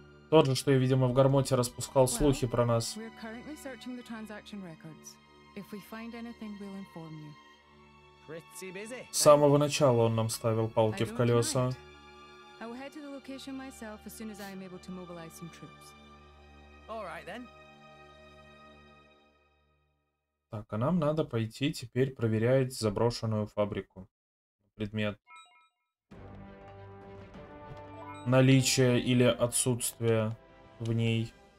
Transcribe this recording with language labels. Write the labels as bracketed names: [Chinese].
[Russian] Тот же, что и, видимо, в Гармоте распускал слухи про нас. [English] We're currently searching the transaction records. If we find anything, we'll inform you. Pretty busy. [Russian] С самого начала он нам ставил палки в колеса. [English] I will head to the location myself as soon as I am able to mobilize some troops. All right, then. [Russian] Так, а нам надо пойти теперь проверять заброшенную фабрику. Предмет. Наличие или отсутствие в ней.